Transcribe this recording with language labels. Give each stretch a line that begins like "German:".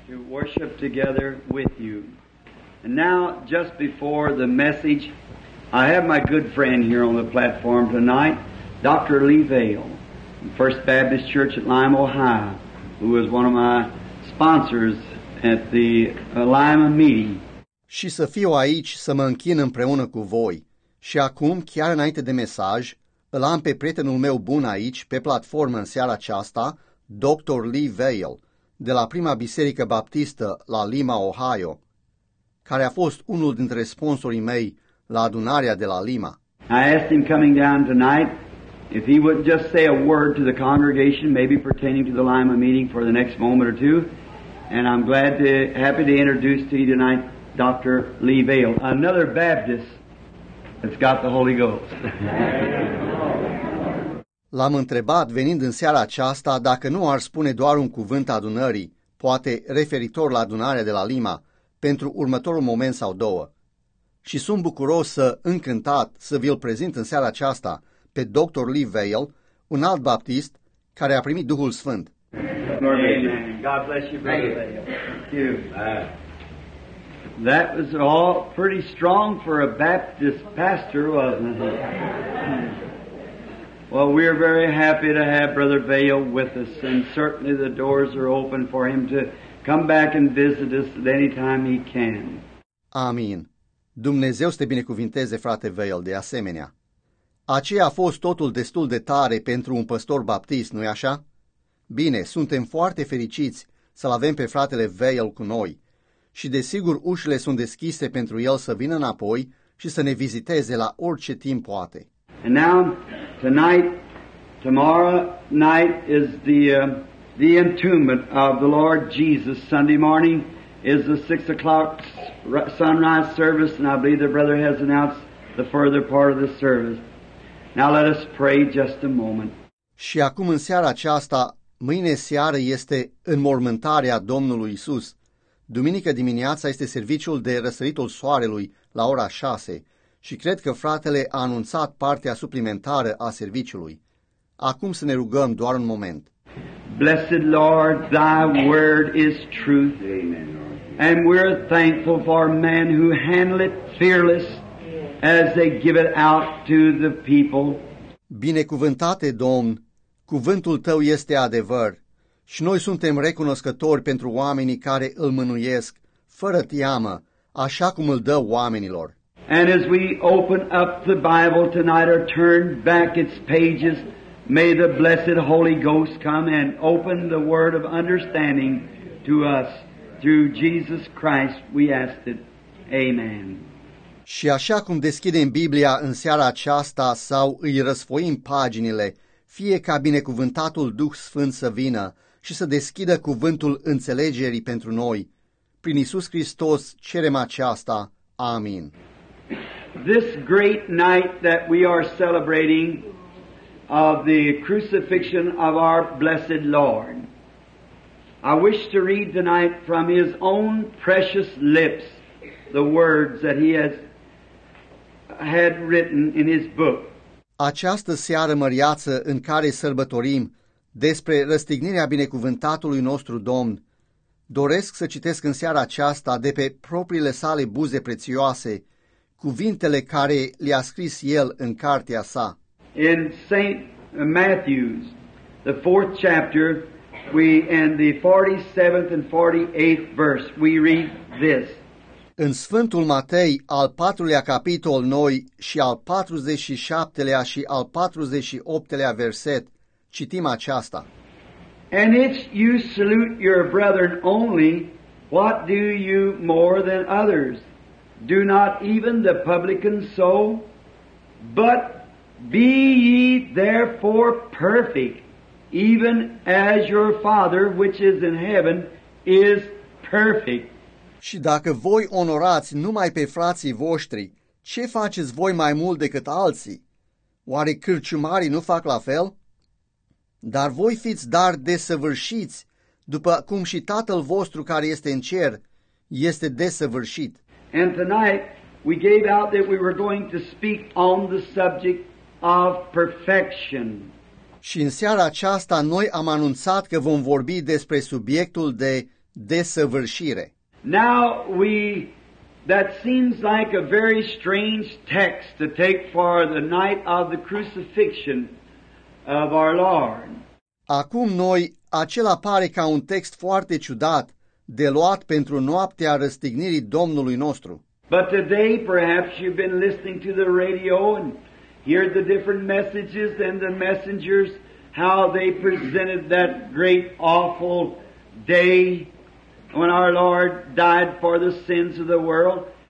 English: Worship together with you. And now, just before the message, I have my good friend here on the platform tonight, Dr. Lee Vail, First Baptist Church at Lima, Ohio, who was one of my sponsors at the Lima meeting.
Romanian: Și să fiu aici să mă închin împreună cu voi. Și acum, chiar înainte de mesaj, îl am pe prietenul meu bun aici, pe platformă în seara aceasta, Dr. Lee Vail, de la Prima Biserică Baptistă la Lima, Ohio, care a fost unul dintre sponsorii mei la adunarea de la Lima.
English: I asked him coming down tonight if he would just say a word to the congregation, maybe pertaining to the Lima meeting for the next moment or two, and I'm happy to introduce to you tonight Dr. Lee Vail, another Baptist that's got the Holy Ghost.
Romanian: L-am întrebat, venind în seara aceasta, dacă nu ar spune doar un cuvânt adunării, poate referitor la adunarea de la Lima, pentru următorul moment sau două. Și sunt bucuros să, încântat, să vi-l prezint în seara aceasta pe Dr. Lee Vail, un alt baptist care a primit Duhul Sfânt.
English: Amen. God bless you, Brother Vail. Thank you. That was all pretty strong for a Baptist pastor, wasn't it? Well, we are very happy to have Brother Vail with us, and certainly the doors are open for him to come back and visit us at any time he can.
Romanian: Amin. Dumnezeu să te binecuvinteze, frate Vail, de asemenea. Aceea a fost totul destul de tare pentru un păstor baptist, nu-i așa? Bine, suntem foarte fericiți să-l avem pe fratele Vail cu noi. Și desigur, ușile sunt deschise pentru el să vină înapoi și să ne viziteze la orice timp poate.
English: And now, tonight, tomorrow night is the entombment of the Lord Jesus. Sunday morning is the 6 o'clock sunrise service, and I believe the brother has announced the further part of the service. Now let us pray just a moment.
Romanian: Și acum în seara aceasta, mâine seară este înmormântarea Domnului Isus. Duminică dimineața este serviciul de răsăritul soarelui la ora 6. Și cred că fratele a anunțat partea suplimentară a serviciului. Acum să ne rugăm doar un moment.
English: Blessed Lord, thy word is truth. Amen. And we're thankful for men who handle it fearless as they give it out to the people.
Romanian: Binecuvântate, Domn, cuvântul tău este adevăr și noi suntem recunoscători pentru oamenii care îl mânuiesc fără teamă, așa cum îl dă oamenilor.
English: And as we open up the Bible tonight or turn back its pages, may the blessed Holy Ghost come and open the word of understanding to us. Through Jesus Christ we ask it. Amen.
Romanian: Și așa cum deschidem Biblia în seara aceasta sau îi răsfoim paginile, fie ca binecuvântatul Duh Sfânt să vină și să deschidă cuvântul înțelegerii pentru noi. Prin Iisus Hristos cerem aceasta. Amin.
English: This great night that we are celebrating of the crucifixion of our blessed Lord, I wish to read tonight from His own precious lips the words that He has had written in His book.
Romanian: Această seară măriață în care sărbătorim despre răstignirea binecuvântatului nostru Domn, doresc să citesc în seara aceasta de pe propriile sale buze prețioase cuvintele care le-a scris el în cartea sa.
English: In St. Matthew's, the fourth chapter, and the 47th and 48th verse, we read this.
Romanian: În Sfântul Matei, al 4-lea capitol noi și al 47-lea și al 48-lea verset, citim aceasta.
English: And if you salute your brethren only, what do you more than others? Do not even the publicans so? But be ye therefore perfect, even as your Father which is in heaven is perfect.
Romanian: Și dacă voi onorați numai pe frații voștri, ce faceți voi mai mult decât alții? Oare cârciumarii nu fac la fel? Dar voi fiți dar desăvârșiți, după cum și Tatăl vostru care este în cer este desăvârșit.
English: And tonight we gave out that we were going to speak on the subject of perfection.
Romanian: Și în seara aceasta noi am anunțat că vom vorbi despre subiectul de desăvârșire.
English: Now we that seems like a very strange text to take for the night of the crucifixion of our Lord.
Romanian: Acum noi acela pare ca un text foarte ciudat de luat pentru noaptea răstignirii Domnului nostru.
English: But today perhaps you've been listening to the radio and hear the different messages and the messengers how they presented that great awful day when our Lord died for the sins of the world.